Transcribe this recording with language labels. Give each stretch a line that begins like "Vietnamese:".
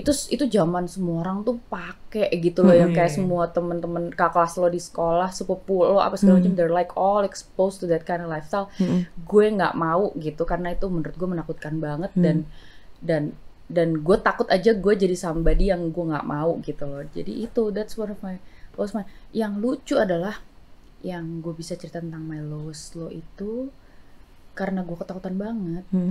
Indonesian: Itu zaman semua orang tuh pakai gitu loh, yang kayak semua temen-temen kakak kelas lo di sekolah, sepupu lo apa segala macam,
English: they're like all exposed to that kind of lifestyle.
Indonesian: Gue nggak mau gitu karena itu menurut gue menakutkan banget dan gue takut aja gue jadi somebody yang gue nggak mau gitu loh. Jadi itu
English: that's one of my lowest moment.
Indonesian: Yang lucu adalah yang gue bisa cerita tentang
English: my lowest low
Indonesian: itu karena gue ketakutan banget.